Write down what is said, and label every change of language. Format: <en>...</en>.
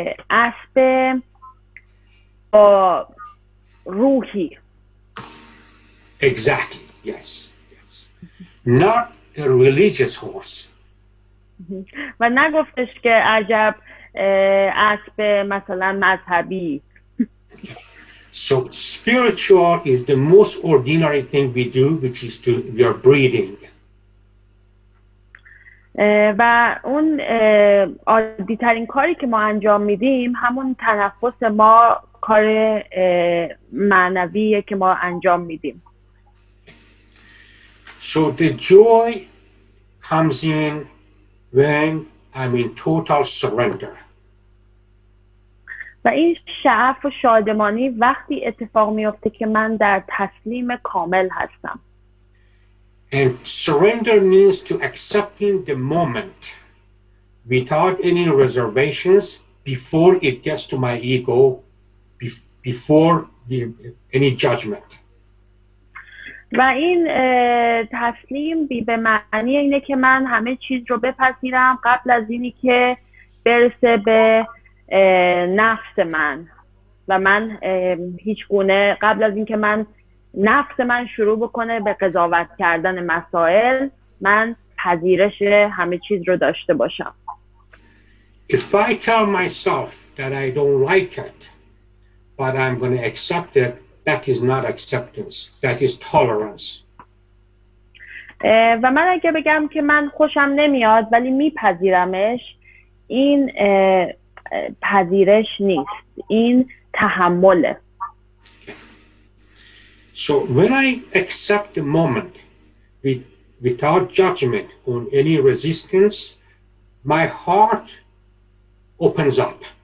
<fa>اسب با روحی.</fa> <en>Exactly. Yes. Yes. Not a religious horse.</en> <fa>و نگفتش که عجب اسب مثلا مذهبی.</fa> <en>So spiritual is the most ordinary thing we do, which is to we are breathing.</en> <fa>و اون عادی ترین کاری که ما انجام میدیم همون تنفس ما کار معنویه که ما انجام میدیم.</fa> <en>So the joy comes in when I'm in total surrender.</en> <fa>و این شعف و شادمانی وقتی اتفاق میفته که من در تسلیم کامل هستم.</fa> <en>And surrender means to accepting the moment without any reservations before it gets to my ego, before any judgment.</en> <fa>و این تسلیم بی به معنی اینه که من همه چیز رو بپذیرم قبل از اینی که برسه به نفس من و من هیچ گونه قبل از اینکه من نفس من شروع بکنه به قضاوت کردن مسائل من پذیرش همه چیز رو داشته باشم.</fa> <en>If I tell myself that I don't like it but I'm going to accept it, that is not acceptance, that is tolerance.</en> <fa>و من اگه بگم که من خوشم نمیاد ولی میپذیرمش این پذیرش نیست، این تحمله.</fa> <en>So when I accept the moment without judgment on any resistance, my heart opens up.</en>